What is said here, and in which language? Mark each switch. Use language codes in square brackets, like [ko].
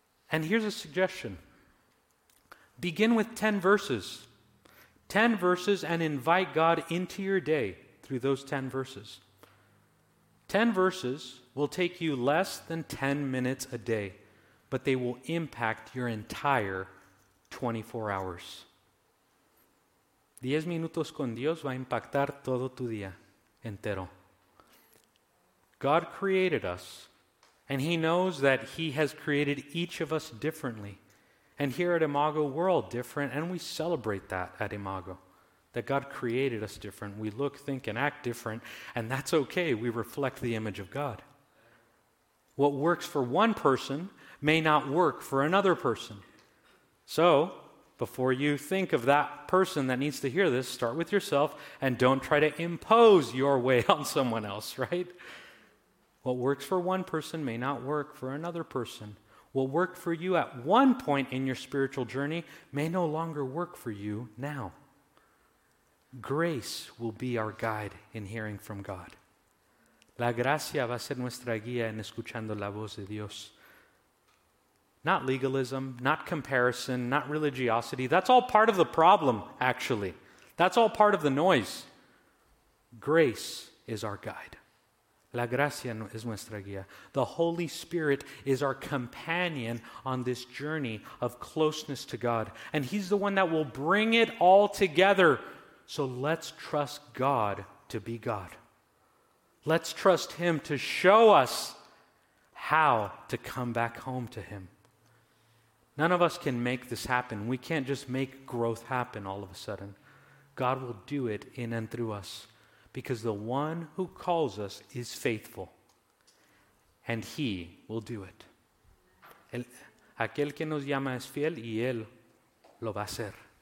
[en] And here's a suggestion. Begin with 10 verses. 10 verses and invite God into your day through those 10 verses. 10 verses will take you less than 10 minutes a day, but they will impact your entire 24 hours. [es] 10 minutos con Dios va a impactar todo tu día entero. [en] God created us, and He knows that He has created each of us differently. And here at Imago, we're all different, and we celebrate that at Imago, that God created us different. We look, think, and act different, and that's okay. We reflect the image of God. What works for one person may not work for another person. So, before you think of that person that needs to hear this, start with yourself, and don't try to impose your way on someone else, right? What works for one person may not work for another person. What worked for you at one point in your spiritual journey may no longer work for you now. Grace will be our guide in hearing from God. [es] La gracia va a ser nuestra guía en escuchando la voz de Dios. [en] Not legalism, not comparison, not religiosity. That's all part of the problem, actually. That's all part of the noise. Grace is our guide. [es] La gracia es nuestra guía. [en] The Holy Spirit is our companion on this journey of closeness to God. And He's the one that will bring it all together. So let's trust God to be God. Let's trust Him to show us how to come back home to Him. None of us can make this happen. We can't just make growth happen all of a sudden. God will do it in and through us. Because the one who calls us is faithful, and He will do it. [es] Aquel que nos llama es fiel y Él lo va a hacer.